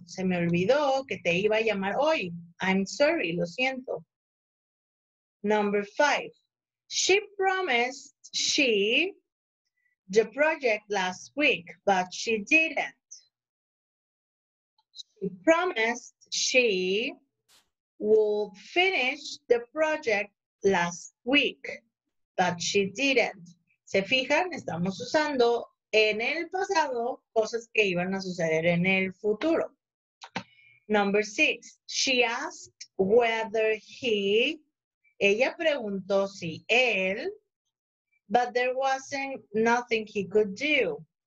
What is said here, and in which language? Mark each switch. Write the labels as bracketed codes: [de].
[es] Se me olvidó que te iba a llamar hoy. [en] I'm sorry, [es] lo siento. [en] Number five. She promised she the project last week, but she didn't. She promised she would finish the project last week, but she didn't. [es] ¿Se fijan? Estamos usando en el pasado, cosas que iban a suceder en el futuro. [en] Number six, she asked whether he, [es] ella preguntó si él, [en] but there wasn't nothing he could do.